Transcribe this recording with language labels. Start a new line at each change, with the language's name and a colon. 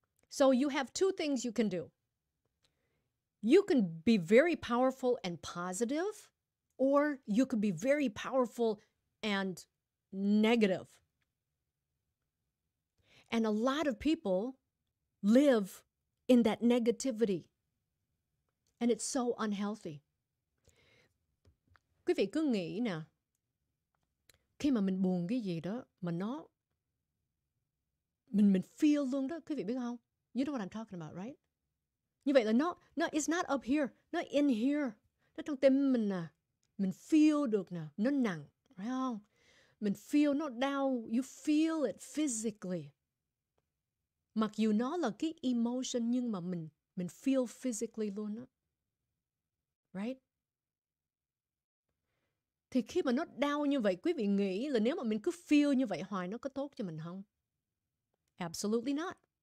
English: So you have two things you can do. You can be very powerful and positive, or you could be very powerful and negative. And a lot of people live in that negativity. And it's so unhealthy.
Vietnamese: Quý vị cứ nghĩ nè, khi mà mình buồn cái gì đó, mà nó, mình feel luôn đó, quý vị biết không?
English: You know what I'm talking about, right?
Vietnamese: Như vậy là nó
English: it's not up here, nó in here.
Vietnamese: Nó trong tim mình nè. Mình feel được nè, nó nặng, phải không? Mình feel nó đau,
English: you feel it physically.
Vietnamese: Mặc dù nó là cái emotion nhưng mà mình feel physically luôn á. Right? Thì khi mà nó đau như vậy, quý vị nghĩ là nếu mà mình cứ feel như vậy hoài, nó có tốt cho mình không?
English: Absolutely not.